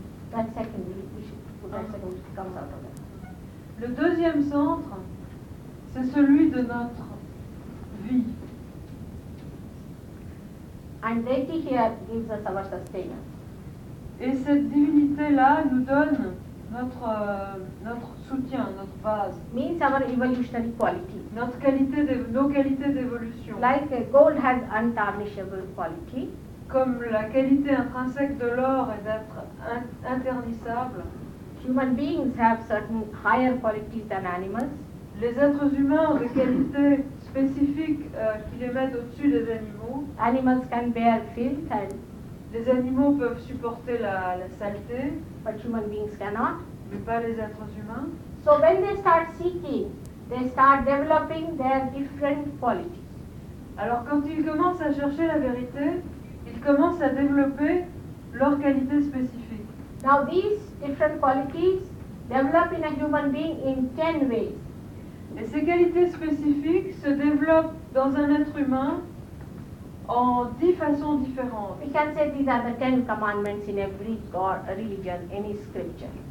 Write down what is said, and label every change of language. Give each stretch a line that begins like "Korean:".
English: That second, we should put that second comes out of it.
French: Le deuxième centre, c'est celui de notre vie.
English: And deity here gives us our sustenance.
French: Et cette divinité-là nous donne notre soutien, notre base.
English: Means our evolutionary quality.
French: Notre qualité de, nos qualités d'évolution.
English: Like gold has untarnishable quality.
French: Comme la qualité intrinsèque de l'or est d'être intarnissable.
English: Human beings have certain higher qualities than animals.
French: Les êtres humains ont des qualités spécifiques qui les mettent au-dessus des animaux.
English: Animals can bear filth and
French: les animaux peuvent supporter la saleté.
English: But human beings cannot.
French: Mais pas les êtres humains.
English: So when they start seeking, they start developing their different qualities.
French: Alors quand ils commencent à chercher la vérité, ils commencent à développer leurs qualités spécifiques.
English: Now these different qualities develop in a human being in 10 ways.
French: Et ces qualités spécifiques se développent dans un être humain en 10 façons différentes.
English: We can say these are the 10 commandments in every God, religion, any scripture.